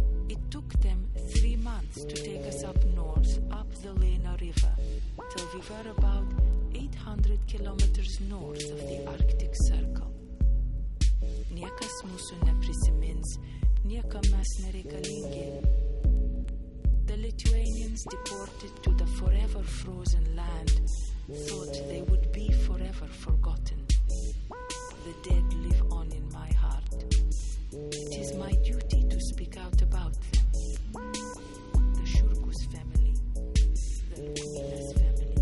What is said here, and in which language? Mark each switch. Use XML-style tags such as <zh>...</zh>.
<en>It took them 3 months to take us up north, up the Lena River, till we were about 800 kilometers north of the Arctic Circle.</en> <lt>Niekas mūsų neprisimins, niekam mes nereikalingi.</lt> <en>The Lithuanians deported to the forever frozen land thought they would be forever forgotten. The dead live on in my heart. It is my duty to speak out about them. The Shurkus family, the Lukulis family.</en>